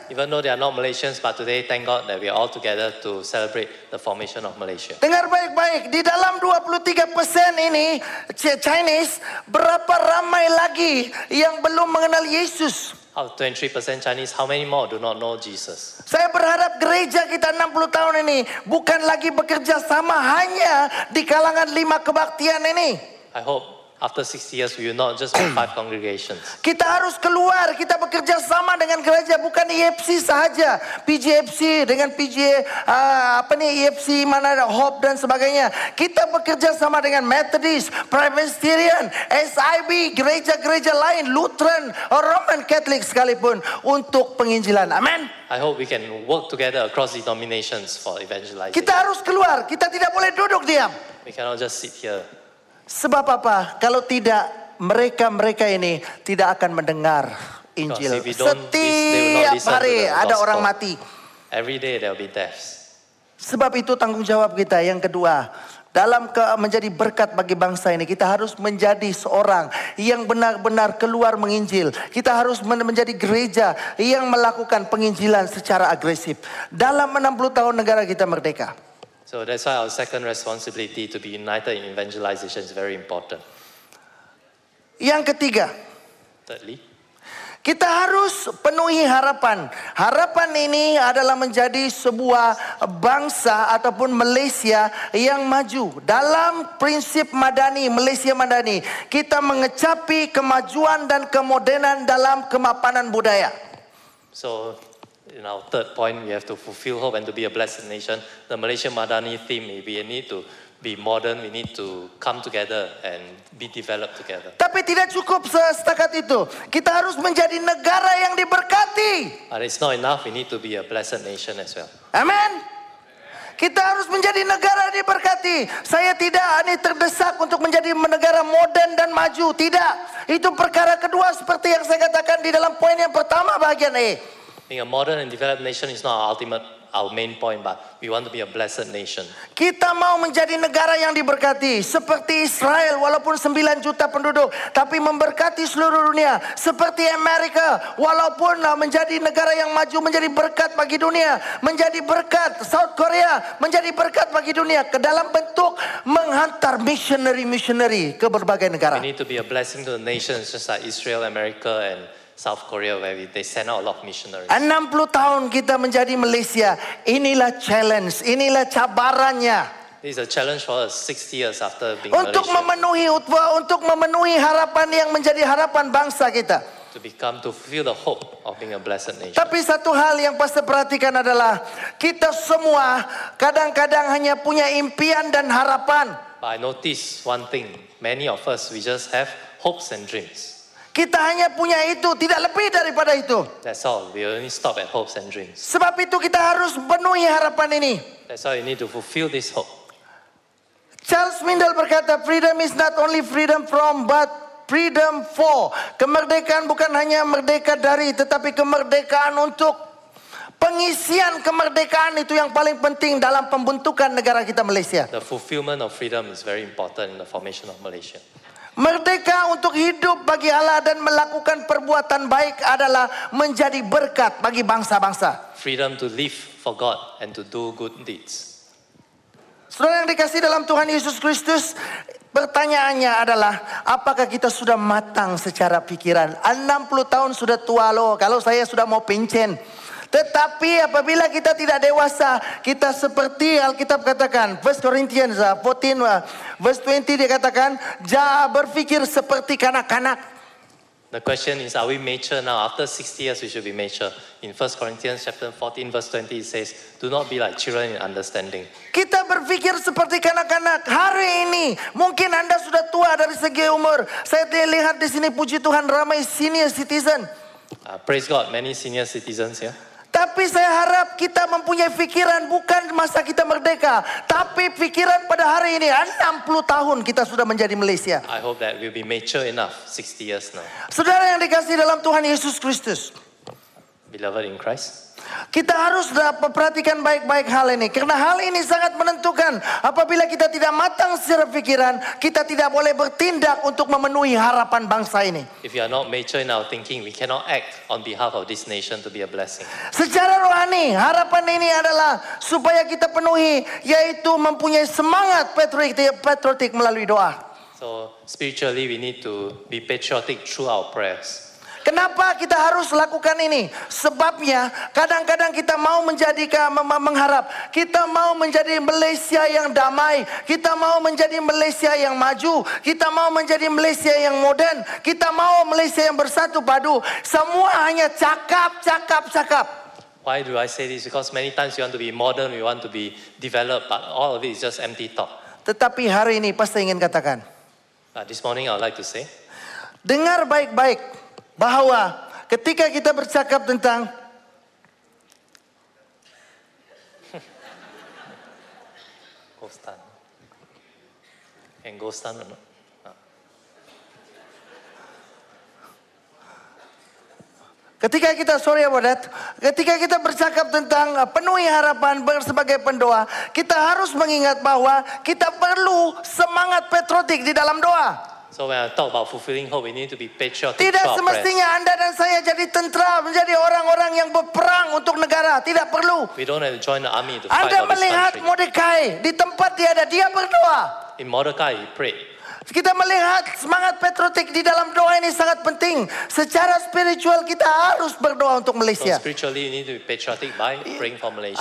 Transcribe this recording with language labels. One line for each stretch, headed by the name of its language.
English: Even though they are not Malaysians, but today thank God that we are all together to celebrate the formation of Malaysia.
Malay: Dengar baik-baik, di dalam 23% ini Chinese, berapa ramai lagi yang belum mengenal Yesus?
English: Of 23% Chinese, how many more do not know Jesus?
Malay: Saya berharap gereja kita 60 tahun ini bukan lagi bekerja sama hanya di kalangan 5 kebaktian ini.
English: I hope After 60 years, we will not just be 5 congregations.
Malay: Kita harus keluar. Kita bekerja sama dengan gereja, bukan EFC saja. PGFC dengan EFC mana ada Hope dan sebagainya. Kita bekerja sama dengan Methodist, Presbyterian, SIB, gereja-gereja lain, Lutheran, Roman Catholic sekalipun untuk penginjilan. Amen.
English: I hope we can work together across denominations for evangelizing.
Malay: Kita harus keluar. Kita tidak boleh duduk diam.
English: We cannot just sit here.
Malay: Sebab apa? Kalau tidak, mereka-mereka ini tidak akan mendengar Injil. Setiap hari ada orang mati.
English: Every day there will be deaths.
Malay: Sebab itu tanggung jawab kita yang kedua. Dalam menjadi berkat bagi bangsa ini, kita harus menjadi seorang yang benar-benar keluar menginjil. Kita harus menjadi gereja yang melakukan penginjilan secara agresif. Dalam 60 tahun negara kita merdeka.
English: So that's why our second responsibility to be united in evangelization is very important.
Malay: Yang ketiga.
English: Thirdly.
Malay: Kita harus penuhi harapan. Harapan ini adalah menjadi sebuah bangsa ataupun Malaysia yang maju. Dalam prinsip madani, Malaysia madani, kita mengecapi kemajuan dan kemodenan dalam kemapanan budaya.
English: So, in our third point, we have to fulfill hope and to be a blessed nation. The Malaysia madani theme, we need to be modern, we need to come together and be developed together.
Malay: Tapi tidak cukup setakat itu. Kita harus menjadi negara yang diberkati.
English: But it's not enough, we need to be a blessed nation as well. Amen.
Malay: Kita harus menjadi negara diberkati. Saya tidak ini terdesak untuk menjadi negara modern dan maju. Tidak. Itu perkara kedua seperti yang saya katakan di dalam poin yang pertama bagian E.
English: Being a modern and developed nation is not our ultimate our main point, but we want to be a blessed nation.
Malay: Kita mau menjadi negara yang diberkati seperti Israel, walaupun 9 juta penduduk, tapi memberkati seluruh dunia. Seperti Amerika, walaupun menjadi negara yang maju, menjadi berkat bagi dunia, menjadi berkat. South Korea menjadi berkat bagi dunia ke dalam bentuk menghantar missionary ke berbagai negara.
English: We need to be a blessing to the nations, just like Israel, America, and South Korea, where they send out a lot of missionaries.
Malay: 60 tahun kita menjadi Malaysia. Inilah challenge. Inilah cabarannya.
English: This is a challenge for us 60 years after being
Malay: untuk Malaysia. Untuk memenuhi harapan yang menjadi harapan bangsa kita.
English: To feel the hope of being a blessed nation.
Malay: Tapi satu hal yang pasti perhatikan adalah kita semua kadang-kadang hanya punya impian dan harapan.
English: But I notice one thing. Many of us, we just have hopes and dreams.
Malay: Kita hanya punya itu, tidak lebih daripada itu.
English: That's all. We only stop at hopes and dreams.
Malay: Sebab itu kita harus penuhi harapan ini.
English: That's all. You need to fulfill this hope. Charles Mindel
Malay: berkata,
English: freedom is not only freedom from, but freedom for.
Malay: Kemerdekaan bukan hanya merdeka dari, tetapi kemerdekaan untuk. Pengisian kemerdekaan itu yang paling penting dalam pembentukan negara kita Malaysia.
English: The fulfillment of freedom is very important in the formation of Malaysia.
Malay: Merdeka untuk hidup bagi Allah dan melakukan perbuatan baik adalah menjadi berkat bagi bangsa-bangsa.
English: Freedom to live for God and to do good deeds.
Malay: Saudara yang dikasih dalam Tuhan Yesus Kristus, pertanyaannya adalah apakah kita sudah matang secara pikiran? 60 tahun sudah tua loh, kalau saya sudah mau pincen. Tetapi apabila kita tidak dewasa, kita seperti Alkitab katakan, 1 Corinthians 14, verse 20 dia katakan, jangan berpikir seperti kanak-kanak.
English: The question is, are we mature now? After 60 years, we should be mature. In 1 Corinthians chapter 14, verse 20, it says, do not be like children in understanding.
Malay: Kita berpikir seperti kanak-kanak. Hari ini, mungkin Anda sudah tua dari segi umur. Saya lihat di sini, puji Tuhan, ramai senior citizen.
English: Praise God, many senior citizens here.
Malay: Tapi saya harap kita mempunyai pikiran bukan masa kita merdeka, tapi pikiran pada hari ini. 60 tahun kita sudah menjadi Malaysia.
English: I hope that we'll be mature enough 60 years now.
Malay: Saudara yang dikasih dalam Tuhan Yesus Kristus.
English: Beloved in Christ.
Malay: Kita harus perhatikan baik-baik hal ini. Karena hal ini sangat menentukan. Apabila kita tidak matang secara pikiran, kita tidak boleh bertindak untuk memenuhi harapan bangsa ini.
English: If you are not mature in our thinking, we cannot act on behalf of this nation to be a blessing.
Malay: Secara rohani, harapan ini adalah supaya kita penuhi, yaitu mempunyai semangat patriotik melalui doa.
English: So spiritually, we need to be patriotic through our prayers.
Malay: Kenapa kita harus lakukan ini? Sebabnya kadang-kadang kita mau menjadi mengharap. Kita mau menjadi Malaysia yang damai. Kita mau menjadi Malaysia yang maju. Kita mau menjadi Malaysia yang modern. Kita mau Malaysia yang bersatu padu. Semua hanya cakap, cakap, cakap.
English: Why do I say this? Because many times you want to be modern, you want to be developed, but all of it is just empty talk.
Malay: Tetapi hari ini pastor ingin katakan.
English: This morning I would like to say.
Malay: Dengar baik-baik bahwa ketika kita bercakap tentang Ghostan. And Ghostan or not? Ketika kita,
English: sorry about that,
Malay: ketika kita bercakap tentang penuhi harapan sebagai pendoa, kita harus mengingat bahwa kita perlu semangat patriotik di dalam doa.
English: So when I talk about fulfilling hope, we need to be patriotic.
Malay: Tidak semestinya Anda dan saya jadi tentara, menjadi orang-orang yang berperang untuk negara. Tidak perlu.
English: We don't have to join the army to fight.
Malay: Anda melihat Mordekai di tempat dia ada, dia berdoa.
English: In Mordekai, he prayed.
Malay: Kita melihat semangat patriotik di dalam doa ini sangat penting. Secara spiritual kita harus berdoa untuk Malaysia.
English: So spiritually you need to be patriotic by praying for Malaysia.